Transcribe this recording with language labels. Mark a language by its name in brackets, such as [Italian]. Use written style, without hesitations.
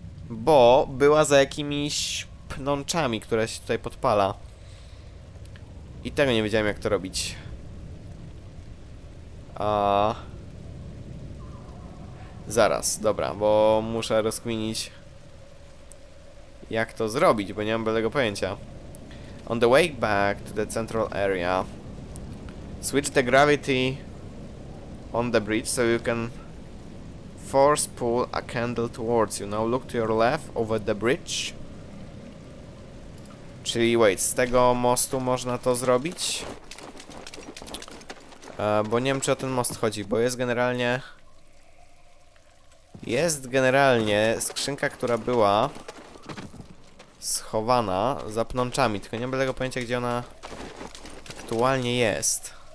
[Polish] Bo była za jakimiś pnączami, które się tutaj podpala. I tego nie wiedziałem, jak to robić. Zaraz, dobra, bo muszę rozkminić, jak to zrobić, bo nie mam bladego pojęcia. [English] On the way back to the central area, switch the gravity on the bridge so you can force pull a candle towards you. Now look to your left over the bridge. [Polish] Czyli wait, z tego mostu można to zrobić? Bo nie wiem, czy o ten most chodzi, bo jest generalnie... Jest generalnie skrzynka, która była schowana za pnączami, tylko nie mam tego pojęcia, gdzie ona aktualnie jest.